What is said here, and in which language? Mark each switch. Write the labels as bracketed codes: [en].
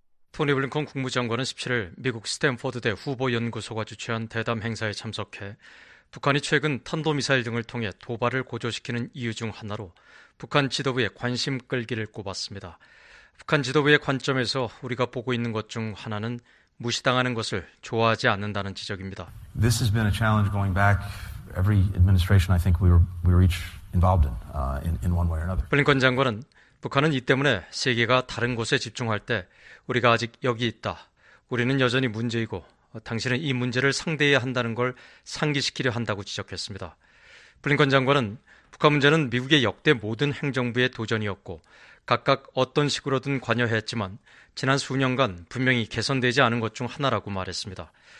[ko] 토니 블링컨 국무장관은 17일 미국 스탠퍼드대 후보연구소가 주최한 대담 행사에 참석해 북한이 최근 탄도미사일 등을 통해 도발을 고조시키는 이유 중 하나로 북한 지도부의 관심 끌기를 꼽았습니다. 북한 지도부의 관점에서 우리가 보고 있는 것 중 하나는 무시당하는 것을 좋아하지 않는다는 지적입니다. [en] This has been a challenge going back every administration I think we were each involved in one way or another. [ko] 블링컨 장관은 북한은 이 때문에 세계가 다른 곳에 집중할 때 우리가 아직 여기 있다. 우리는 여전히 문제이고 당신은 이 문제를 상대해야 한다는 걸 상기시키려 한다고 지적했습니다. 블링컨 장관은 북한 문제는 미국의 역대 모든 행정부의 도전이었고 각각 어떤 식으로든 관여했지만 지난 수년간 분명히 개선되지 않은 것 중 하나라고 말했습니다.